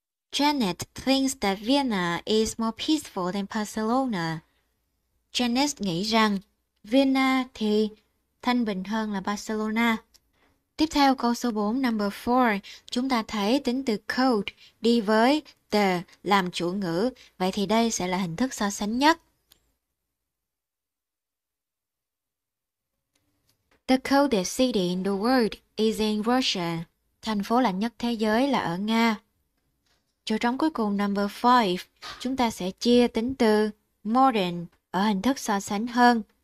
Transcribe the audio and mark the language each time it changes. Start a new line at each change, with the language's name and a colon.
English: Janet thinks that Vienna is more peaceful than Barcelona.
Vietnamese: Janet nghĩ rằng Vienna thì thanh bình hơn là Barcelona. Tiếp theo câu số 4, number 4, chúng ta thấy tính từ cold đi với the làm chủ ngữ. Vậy thì đây sẽ là hình thức so sánh nhất.
English: The coldest city in the world is in Russia.
Vietnamese: Thành phố lạnh nhất thế giới là ở Nga. Chỗ trống cuối cùng, number 5, chúng ta sẽ chia tính từ modern ở hình thức so sánh hơn.